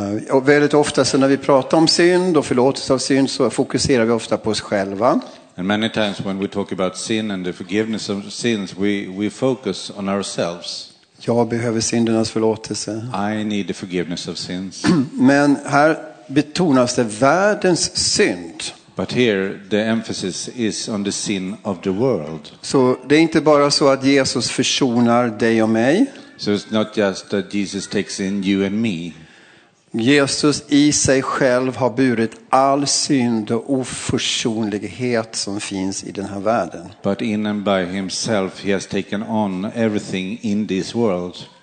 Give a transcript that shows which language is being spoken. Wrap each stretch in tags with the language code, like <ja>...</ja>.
<sv>Och väldigt ofta så när vi pratar om synd och förlåtelse av synd så fokuserar vi ofta på oss själva.</sv> <en>And many times when we talk about sin and the forgiveness of sins we focus on ourselves.</en> <sv>Jag behöver syndernas förlåtelse.</sv> <en>I need the forgiveness of sins.</en> <sv>Men här betonas det världens synd.</sv> <en>But here the emphasis is on the sin of the world.</en> <sv>Så det är inte bara så att Jesus försonar dig och mig.</sv> <en>So it's not just that Jesus takes in you and me.</en> <sv>Jesus I sig själv har burit all synd och oförsonlighet som finns I den här världen.</sv> <en>But in and by himself he has taken on everything in this world.</en>